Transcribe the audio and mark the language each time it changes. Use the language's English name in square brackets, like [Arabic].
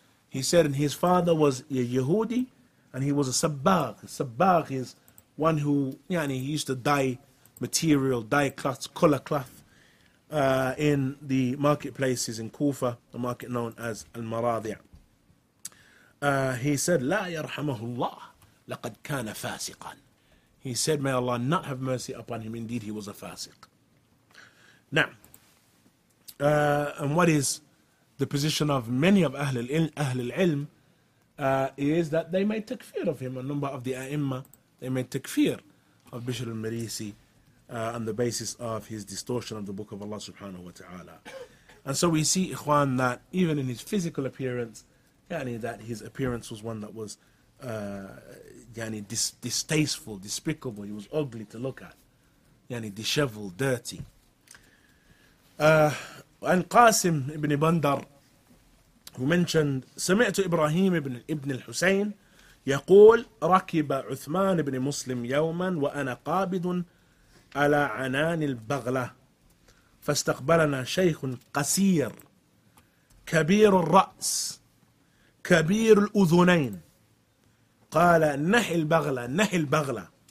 [English] He said, and his father was a Yahudi, and he was a sabbagh. Sabbagh is one who, yani, he used to dye material, dye cloth, color cloth, in the marketplaces in Kufa, the market known as Al-Maradi'. He said, [Arabic] لا يرحمه الله لقد كان فاسقا. [English] He said, may Allah not have mercy upon him. Indeed, he was a fasiq. Now, and what is the position of many of Ahlul Ilm is that they made takfir of him. A number of the A'imma, they made takfir of Bishr al-Marisi on the basis of his distortion of the book of Allah subhanahu wa ta'ala. And so we see, Ikhwan, that even in his physical appearance, yani, that his appearance was one that was yani, distasteful, despicable. He was ugly to look at. Yani, disheveled, dirty. And Qasim ibn Bandar, who mentioned, [Arabic] سمعت إبراهيم ابن الحسين يقول ركب عثمان ابن مسلم يوما وأنا قابض على عنان البغلة فاستقبلنا شيخ قصير كبير الرأس كبير الأذنين قال نحي البغلة نحي البغلة